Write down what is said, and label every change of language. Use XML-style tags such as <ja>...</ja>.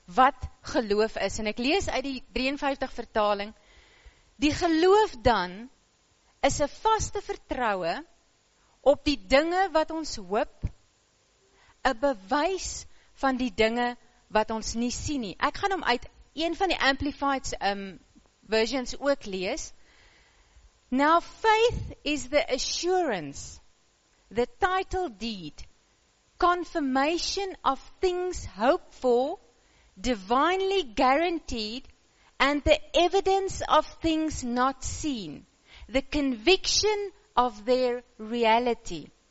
<af>Wat geloof is, en ek lees uit die 53 vertaling. Die geloof dan is 'n vaste vertroue op die dinge wat ons hoop, 'n bewys van die dinge wat ons nie sien nie. Ek gaan hom uit een van die Amplified versions ook lees.</af> <en>Now faith is the assurance, the title deed, confirmation of things hoped for, divinely guaranteed, and the evidence of things not seen, the conviction of their reality.</en>